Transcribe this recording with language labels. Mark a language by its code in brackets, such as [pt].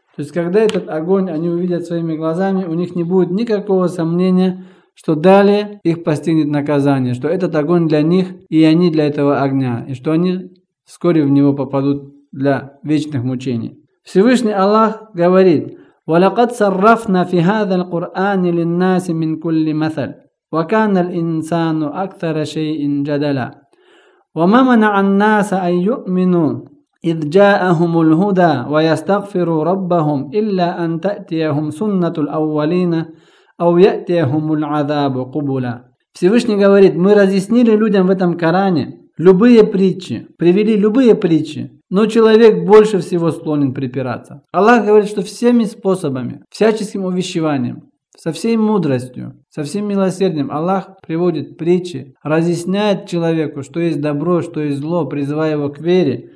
[ru] То есть, когда этот огонь они увидят своими глазами, у них не будет никакого сомнения, что далее их постигнет наказание, что этот огонь для них, и они для этого огня, и что они вскоре в него попадут для вечных мучений. Всевышний Аллах говорит: [ar] «Валакад саррафна фи хадал Кур'ани линнаси мин кулли масаль». وكان الإنسان أكثر شيء جدلا وما منع الناس أن يؤمنوا إذ جاءهم الهدى ويستغفروا ربهم إلا أن تأتيهم سنة الأولين أو يأتيهم العذاب قبلا. [ru] Всевышний говорит: мы разъяснили людям в этом Коране любые притчи, привели любые притчи, но человек больше всего склонен препираться. Аллах говорит, что всеми способами, всяческим увещеванием, со всей мудростью, со всем милосердием Аллах приводит притчи, разъясняет человеку, что есть добро, что есть зло, призывая его к вере.